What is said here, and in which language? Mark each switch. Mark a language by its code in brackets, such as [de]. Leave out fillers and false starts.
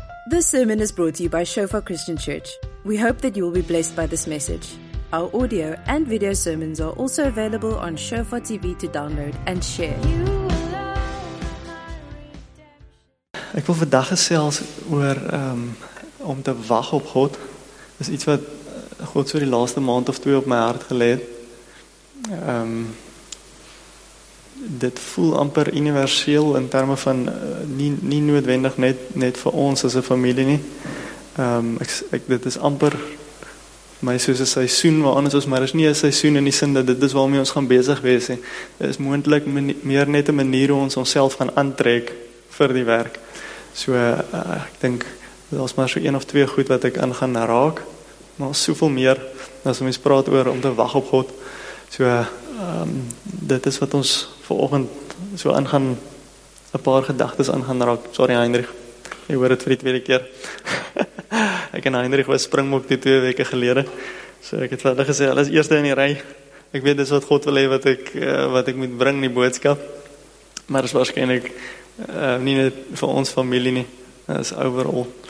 [en] This sermon is brought to you by Shofar Christian Church. We hope that you will be blessed by this message. Our audio and video sermons are also available on Shofar TV to download and share. [af] Ek wil vandag gesels oor om te wag op God. Dis iets wat God so die laaste maand of twee op my hart gelê het. Dit voel amper universeel in terme van nie noodwendig net vir ons as 'n familie nie. Dit is amper my soos 'n seisoen, maar anders is maar is nie 'n seisoen in die sin dat dit is waarmee ons gaan besig wees nie. Dit is moontlik meer net 'n manier hoe ons onsself gaan aantrek vir die werk. So ek dink daar's maar so een of twee goed wat ek aan gaan raak, maar soveel meer as om eens praat oor om te wag op God. So dit is wat ons vanoggend so aangaan, 'n paar gedagtes aangaan raak. Sorry Heinrich, jy hoor dit vir die tweede keer. Ek en Heinrich was Springbok die twee weke gelede, so ek het vir hulle gesê, hulle is eerste in die rij. Ek weet dis wat God wil hê wat ek moet bring in die boodskap, maar is waarschijnlijk nie net vir ons familie nie, is overal.